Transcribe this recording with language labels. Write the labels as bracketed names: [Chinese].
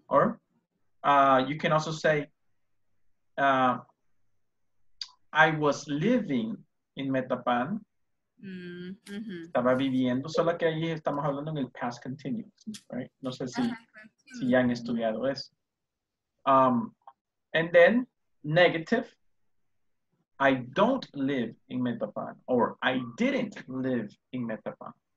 [English] Or you can also say, I was living in Metapan. Mm-hmm. [Spanish] Estaba viviendo, solo que ahí estamos hablando en el past continuous, right? No sé si, si ya han estudiado eso. [English] And then negative, I don't live in Metapan, or I didn't live in Metapan.